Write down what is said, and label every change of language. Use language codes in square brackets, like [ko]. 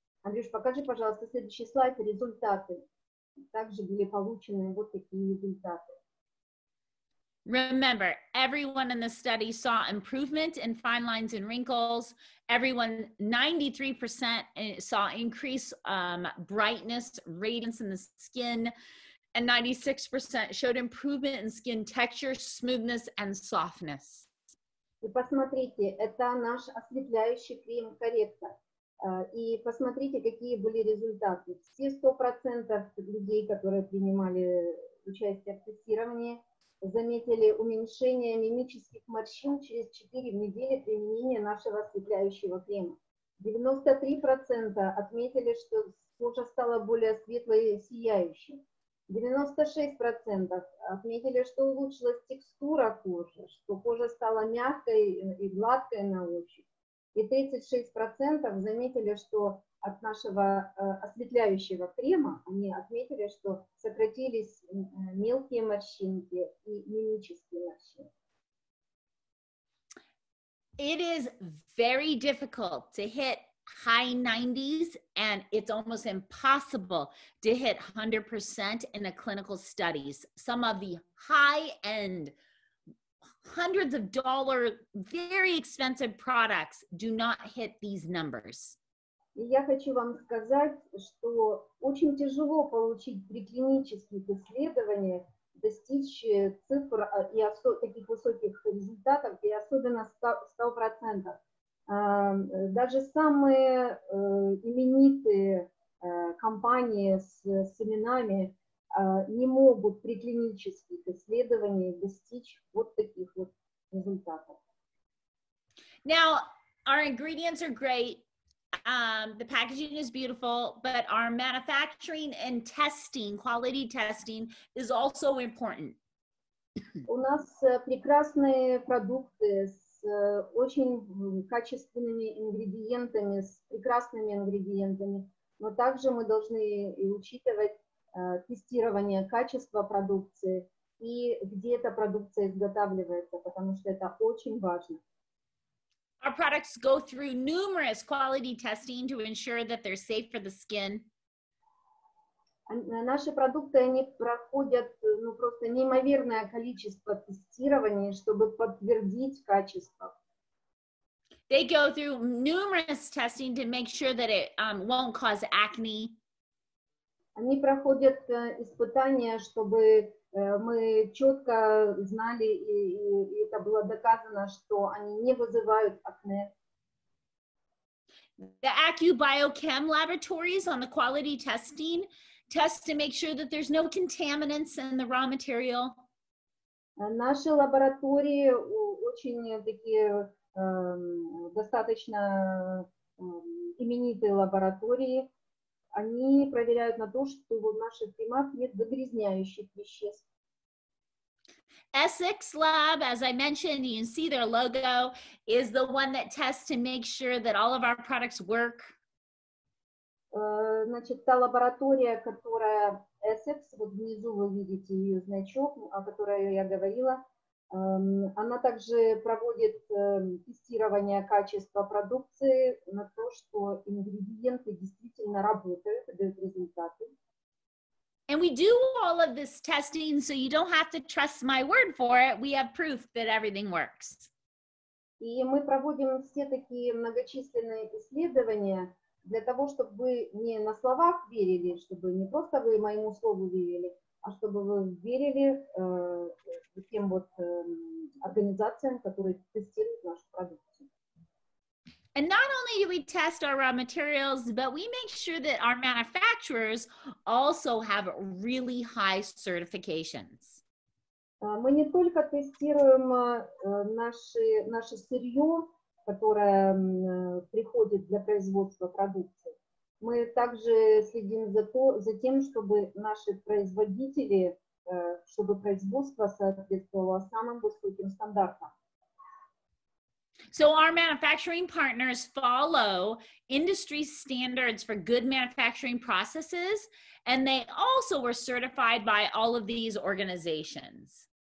[ru] Андрюш, покажи, пожалуйста, следующий слайд. Результаты также были получены. Вот такие результаты. [en] Remember, everyone in the study saw improvement in fine lines and wrinkles. Everyone, 93% saw increased brightness, radiance in the skin, and 96% showed improvement in skin texture, smoothness, and softness. [ru] И посмотрите, это наш осветляющий крем корректор. И посмотрите, какие были результаты. Все 100% людей, которые принимали участие в тестировании, заметили уменьшение мимических морщин через 4 недели применения нашего осветляющего крема. 93% отметили, что кожа стала более светлой и сияющей. 96% отметили, что улучшилась текстура кожи, что кожа стала мягкой и гладкой на ощупь. И 36% заметили, что от нашего осветляющего крема они отметили, что сократились мелкие морщинки и мимические морщинки. [en] It is very difficult to hit high 90s, and it's almost impossible to hit 100% in the clinical studies. Some of the high-end, hundreds of dollar, very expensive products do not hit these numbers. [ru] Я хочу вам сказать, что очень тяжело получить при клинических исследованиях достичь цифр и таких высоких результатов, и особенно 100%. Даже самые именитые компании с именами не могут при клинических исследованиях достичь вот таких вот результатов. [en] Now, our ingredients are great. The packaging is beautiful, but our manufacturing and testing, quality testing, is also important. [ru] У нас прекрасные продукты с очень качественными ингредиентами, с прекрасными ингредиентами, но также мы должны учитывать тестирование качества продукции и где эта продукция изготавливается, потому что это очень важно. [en] Our products go through numerous quality testing to ensure that they're safe for the skin. [ru] Наши продукты, они проходят, ну, просто неимоверное количество тестирований, чтобы подтвердить качество. [en] They go through numerous testing to make sure that it won't cause acne. [ru] Они проходят испытания, чтобы мы четко знали, и это было доказано, что они не вызывают акне. [en] The AccuBioChem laboratories on the quality testing test to make sure that there's no contaminants in the raw material. [ru] Наши лаборатории очень такие достаточно именитые лаборатории. Они проверяют на то, что в наших кремах нет загрязняющих веществ. [en] Essex Lab, as I mentioned, you can see their logo, is the one that tests to make sure that all of our products work. [ru] Значит, та лаборатория, которая Essex, вот внизу вы видите ее значок, о которой я говорила, она также проводит тестирование качества продукции на то, что ингредиенты действительно работают, дают результаты. [en] And we do all of this testing, so you don't have to trust my word for it. We have proof that everything works. [ru] И мы проводим все такие многочисленные исследования для того, чтобы вы не на словах верили, чтобы не просто вы моему слову верили, а чтобы вы верили тем вот организациям, которые тестируют нашу продукцию. [en] And not only do we test our raw materials, but we make sure that our manufacturers also have really high certifications. [ru] Мы не только тестируем наше сырье, которое приходит для производства продукции. Мы также следим за тем, чтобы наши производители, чтобы производство соответствовало самым высоким стандартам. [en] So our manufacturing partners follow industry standards for good manufacturing processes, and they also were certified by all of these organizations.